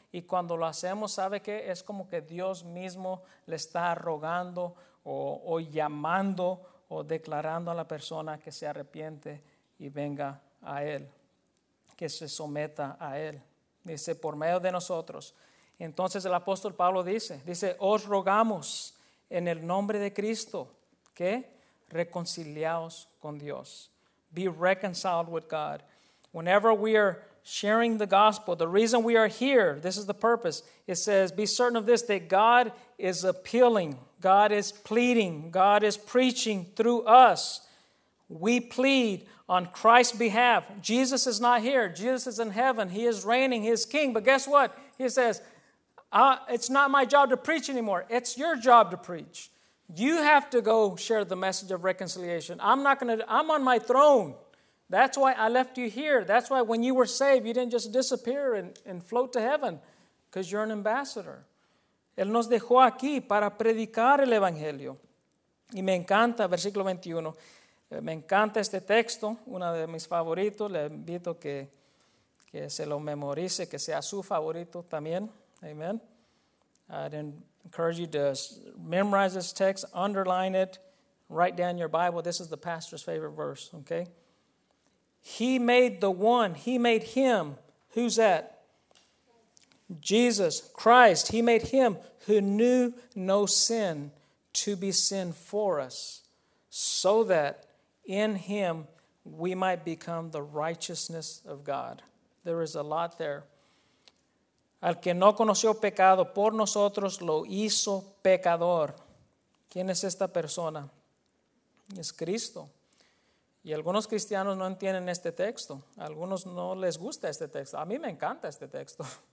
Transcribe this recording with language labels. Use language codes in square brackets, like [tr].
[es] Y cuando lo hacemos, ¿sabe qué? Es como que Dios mismo le está rogando o llamando o declarando a la persona que se arrepiente y venga a Él, que se someta a Él. Dice, por medio de nosotros. Entonces el apóstol Pablo dice, os rogamos en el nombre de Cristo que reconciliaos con Dios. [en] Be reconciled with God. Whenever we are sharing the gospel, the reason we are here, this is the purpose. It says, be certain of this, that God is appealing. God is pleading. God is preaching through us. We plead on Christ's behalf. Jesus is not here. Jesus is in heaven. He is reigning. He is king. But guess what? He says, it's not my job to preach anymore. It's your job to preach. You have to go share the message of reconciliation. I'm on my throne. That's why I left you here. That's why when you were saved, you didn't just disappear and float to heaven, because you're an ambassador. [es] Él nos dejó aquí para predicar el evangelio. Y me encanta, versículo 21, me encanta este texto, uno de mis favoritos. Le invito que se lo memorice, que sea su favorito también. [en] Amen. I'd encourage you to memorize this text, underline it, write down your Bible. This is the pastor's favorite verse, okay? He made the one, he made him, who's that? Jesus Christ, he made him who knew no sin to be sin for us, so that in him we might become the righteousness of God. There is a lot there. [es] Al que no conoció pecado, por nosotros lo hizo pecador. ¿Quién es esta persona? Es Cristo. Y algunos cristianos no entienden este texto. Algunos no les gusta este texto. A mí me encanta este texto.